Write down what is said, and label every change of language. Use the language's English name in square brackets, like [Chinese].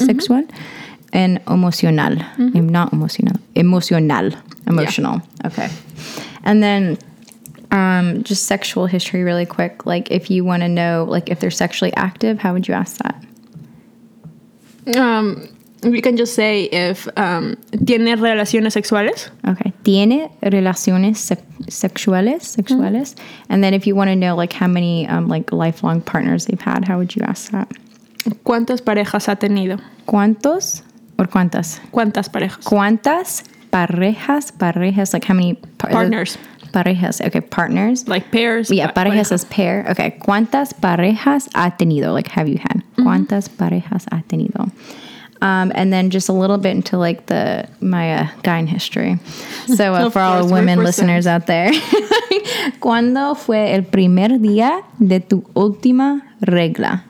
[English] sexual, and emocional. Mm-hmm. Not emocional. Emocional. Yeah. Okay. And then... Just sexual history really quick. Like, if you want to know, like, if they're sexually active, how would you ask that? We can just say if [Spanish] tiene relaciones sexuales. Okay. Tiene relaciones sexuales. Mm-hmm. [English] And then if you want to know, like, how many, like, lifelong partners they've had, how would you ask that? [Spanish] ¿Cuántas parejas ha tenido? ¿Cuántos or cuántas? ¿Cuántas parejas? ¿Cuántas parejas? Parejas, [English] like, how many partners? Parejas, okay, partners. Like pairs. Yeah, [Spanish] parejas pareja. [English] Is pair. Okay, [Spanish] ¿cuántas parejas ha tenido? [English] Like, have you had? Mm-hmm. [Spanish] ¿Cuántas parejas ha tenido? [English] And then just a little bit into, like, the my guy in history. So for all the women listeners out there. [Spanish] ¿Cuándo fue el primer día de tu última regla?